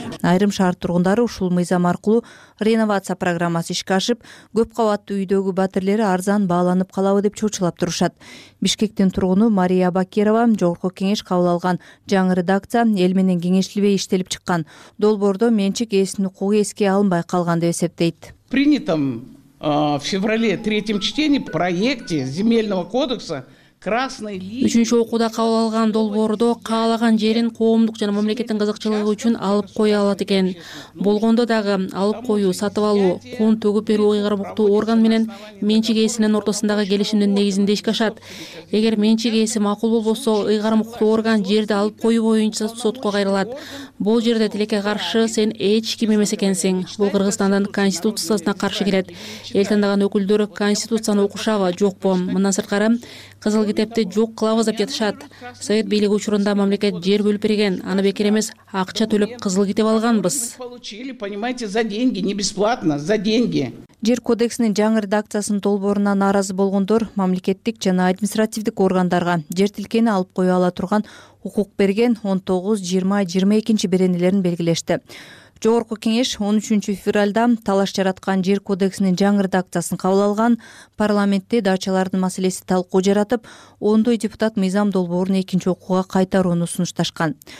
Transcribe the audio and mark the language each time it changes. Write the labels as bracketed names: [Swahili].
[Kyrgyz] Айрым шаар тургундары ушул мыйзам аркылуу реновация программасы ишке ашып, көп кабаттуу үйдөгү батирлери арзан бааланып калабы деп чочулап турушат. Бишкектин тургуну Мария Бакирова жогорку кеңеш кабыл алган жаңы редакция эл менен кеңешилбей иштелип чыккан. Долбоордо менчик ээсинин укугу эске алынбай калган деп эсептейт. [Russian] Принятым в феврале третьем чтении проекте земельного кодекса красной линии. [Kyrgyz] Үчүнчү окууда кабыл алган долбоордо каалаган жерин коомдук жана мамлекеттин кызыкчылыгы үчүн алып кое алат экен. Болгондо дагы алып коюу, сатып алуу, кун төгүп берүү ыйгарымыктуу орган менен менчик ээсинин ортосундагы келишимдин негизинде ишке ашат. Эгер менчик ээси макул болбосо, ыйгарымыктуу орган жерди алып коюу боюнча сотко кайрылат. Бул жерде тилекке каршы сен эч ким эмес экенсиң. Бул Кыргызстандын конституциясына каршы келет. Эл тандаган өкүлдөр конституцияны окушабы, жокпу? Мындан сырткары кызыл китепти жок кылабыз деп жатышат. Совет бийлиги учурунда мамлекет жер бөлүп берген, аны бекер эмес акча төлөп кызыл китеп алганбыз. [Russian] Получили, понимаете, за деньги, не бесплатно, за деньги. [Kyrgyz] Жер кодексинин жаңы редакциясынын долбооруна нааразы болгондор мамлекеттик жана административдик органдарга жер тилкени алып кое ала турган укук берген 19-20-22 беренелерин белгилешти. Жогорку кеңеш 13 февралда талаш жараткан жер кодексинин жаңы редакциясын кабыл алган, парламентте дачалардын маселеси талкуу жаратып, ондой депутат мыйзам долбоорун экинчи окууга кайтарууну сунушташкан.